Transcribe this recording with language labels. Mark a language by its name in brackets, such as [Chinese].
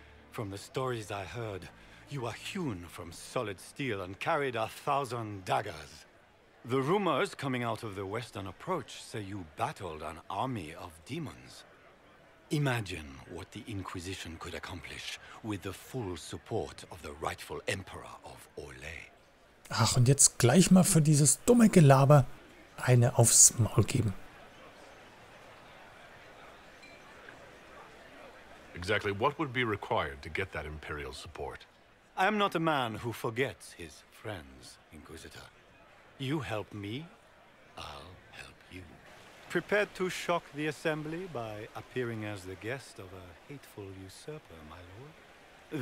[English] From the stories I heard, you are hewn from solid steel and carried 1,000 daggers. The rumors coming out of the Western Approach say you battled an army of demons. Imagine what the Inquisition could accomplish with the full support of the rightful Emperor of Orlais. [German] Ach, und jetzt gleich mal für dieses dumme Gelaber eine aufs Maul geben. [English] Exactly what would be required to get that imperial support? I am not a man who forgets his friends, Inquisitor. You help me, I'll help you. Prepared to shock the assembly by appearing as the guest of a hateful usurper, my lord?